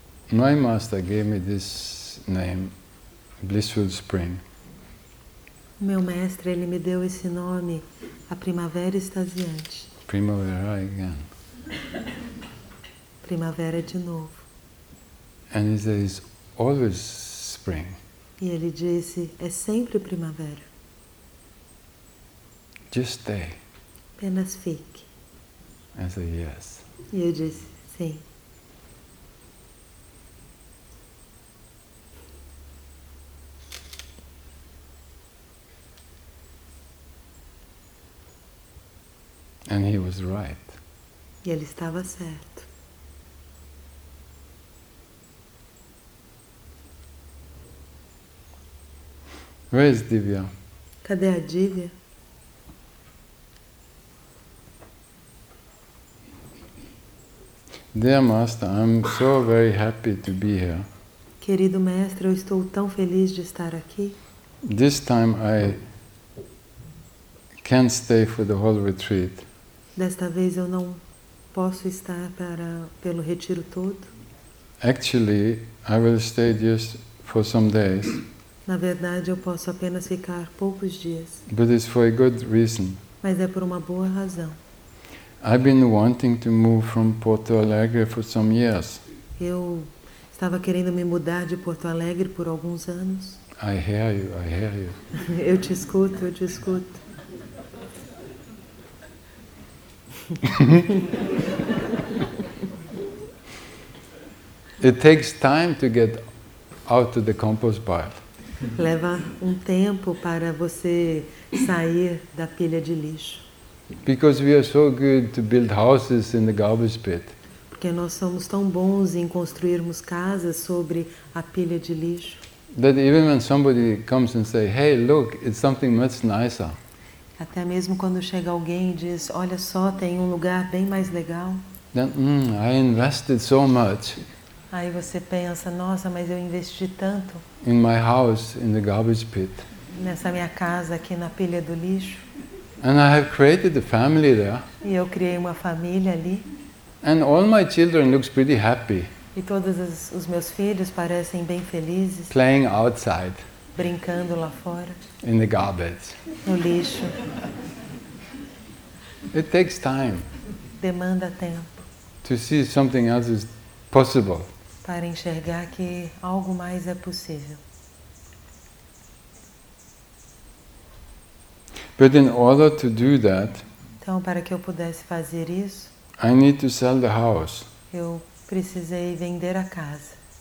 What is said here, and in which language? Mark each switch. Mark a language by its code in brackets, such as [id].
[en] My master gave me this name, Blissful Spring. [pt] Meu mestre, ele me deu esse nome, a Primavera Extasiante. [en] Primavera again. [pt] Primavera de novo. [en] And he says, always spring. [pt] E ele disse, é sempre primavera. [en] Just stay. [pt] Apenas fique. [en] I said, yes. [pt] E eu disse, sim. [en] And he was right. [pt] E ele estava certo. [en] Where is Divya? [pt] Cadê a Divya? [en] Dear Master, I'm so very happy to be here. [pt] Querido mestre, eu estou tão feliz de estar aqui. [en] This time I can't stay for the whole retreat. [pt] Desta vez eu não posso estar para pelo retiro todo. [en] Actually, I will stay just for some days. [pt] Na verdade, eu posso apenas ficar poucos dias. [en] But it's for a good reason. [pt] Mas é por uma boa razão. [en] I've been wanting to move from Porto Alegre for some years. [pt] Eu estava querendo me mudar de Porto Alegre por alguns anos. [en] I hear you, I hear you. [pt] Eu te escuto, eu te escuto. [en] It takes time to get out of the compost pile. [pt] Leva um tempo para você sair da pilha de lixo. [en] Because we are so good to build houses in the garbage pit. [pt] Porque nós somos tão bons em construirmos casas sobre a pilha de lixo. [en] That even when somebody comes and say, "Hey, look, it's something much nicer." [pt] Até mesmo quando chega alguém e diz, olha só, tem um lugar bem mais legal. [en] Then, I invested so much. [pt] Aí você pensa, nossa, mas eu investi tanto. [en] In my house, in the garbage pit. [pt] Nessa minha casa aqui na pilha do lixo. [en] And I have created a family there. [pt] E eu criei uma família ali. [en] And all my children looks pretty happy. [pt] E todos os meus filhos parecem bem felizes. [en] Playing outside. [pt] Brincando lá fora. [en] In the garbage. [pt] No lixo. [en] It takes time. [pt] Demanda tempo. [en] To see something else is possible. [pt] Para enxergar que algo mais é possível. [en] But in order to do that, [pt] então, para que eu pudesse fazer isso, [en] I need to sell the house. [pt] Eu precisei vender a casa.